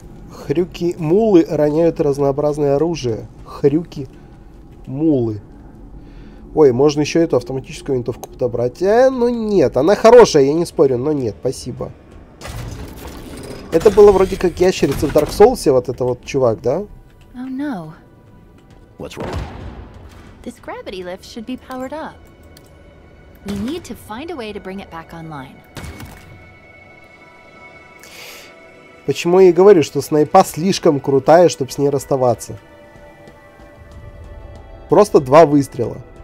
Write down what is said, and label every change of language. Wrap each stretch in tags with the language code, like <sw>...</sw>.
<ru>Хрюки мулы роняют разнообразное оружие. Хрюки мулы. Ой, можно еще эту автоматическую винтовку подобрать. Ну нет, она хорошая, я не спорю, но нет, спасибо. Это было вроде как ящерица в Dark Souls, вот это вот чувак, да?</ru> <en>О, oh, no. What's wrong? This gravity lift should be powered up. We need to find a way to bring it back online.</en> <ru>Почему я и говорю, что снайпа слишком крутая, чтобы с ней расставаться? Просто два выстрела.</ru>